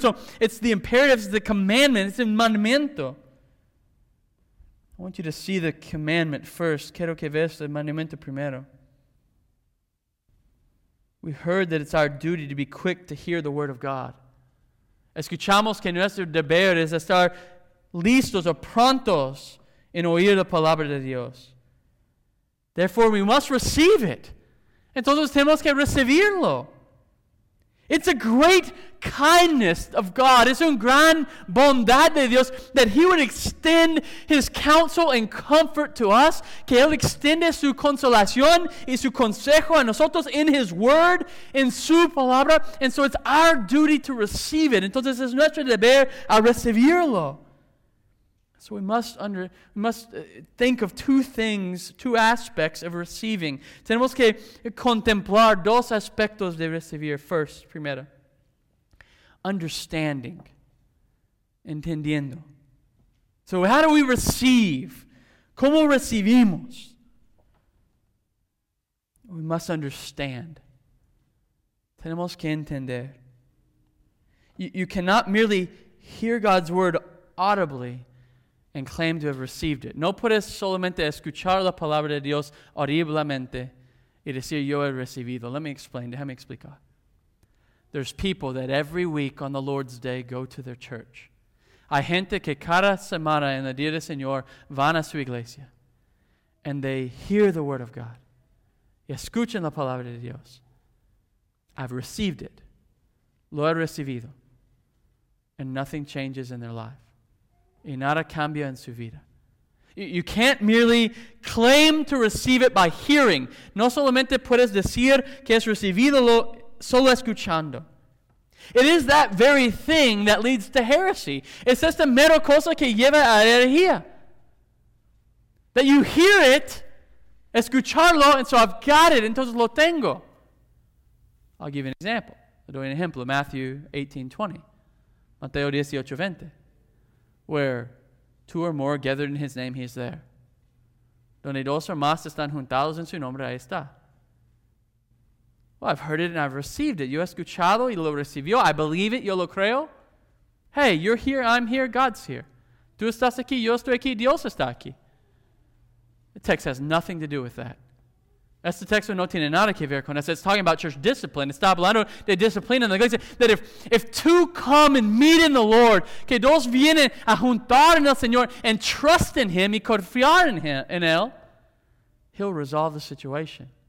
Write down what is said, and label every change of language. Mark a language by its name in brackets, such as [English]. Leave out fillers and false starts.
[English] So it's the imperative, it's the commandment, it's el mandamiento. I want you to see the commandment first. [Spanish] Quiero que veas el mandamiento primero. [English] We heard that it's our duty to be quick to hear the word of God. [Spanish] Escuchamos que nuestro deber es estar listos o prontos en oír la palabra de Dios. [English] Therefore, we must receive it. [Spanish] Entonces tenemos que recibirlo. [English] It's a great kindness of God. [Spanish] Es un gran bondad de Dios [English] that He would extend His counsel and comfort to us. [Spanish] Que Él extiende su consolación y su consejo a nosotros [English] in His Word, [Spanish] in su palabra. [English] And so it's our duty to receive it. [Spanish] Entonces es nuestro deber a recibirlo. [English] So we must think of two things, two aspects of receiving. [Spanish] Tenemos que contemplar dos aspectos de recibir. [English] First, [Spanish] primero, [English] understanding. Entendiendo. So how do we receive? [Spanish] ¿Cómo recibimos? [English] We must understand. [Spanish] Tenemos que entender. [English] You cannot merely hear God's word audibly and claim to have received it. [Spanish] No puedes solamente escuchar la palabra de Dios audiblemente y decir yo he recibido. [English] Let me explain. [Spanish] Déjame explicar. [English] There's people that every week on the Lord's Day go to their church. [Spanish] Hay gente que cada semana en el día del Señor van a su iglesia. [English] And they hear the word of God. [Spanish] Y escuchan la palabra de Dios. [English] I've received it. [Spanish] Lo he recibido. [English] And nothing changes in their life. [Spanish] Y nada cambia en su vida. [English] You can't merely claim to receive it by hearing. [Spanish] No solamente puedes decir que has recibido lo solo escuchando. [English] It is that very thing that leads to heresy. [Spanish] Es esta mera cosa que lleva a herejía. [English] That you hear it, [Spanish] escucharlo, [English] and so I've got it, [Spanish] entonces lo tengo. [English] I'll give you an example. I'll do an ejemplo. Matthew 18:20. Mateo 18:20. Where two or more are gathered in His name, He is there. [Spanish] Donde dos o más están juntados en su nombre, ahí está. [English] Well, I've heard it and I've received it. [Spanish] Yo he escuchado y lo recibió. [English] I believe it, [Spanish] yo lo creo. [English] Hey, you're here, I'm here, God's here. [Spanish] Tú estás aquí, yo estoy aquí, Dios está aquí. [English] The text has nothing to do with that. [Spanish] Este texto no tiene nada que ver con eso. [English] It's talking about church discipline. [Spanish] Está hablando de disciplina en la iglesia. [English] That if two come and meet in the Lord, [Spanish] que dos vienen a juntar en el Señor [English] and trust in Him [Spanish] y confiar en Him, en Él, [English] He'll resolve the situation.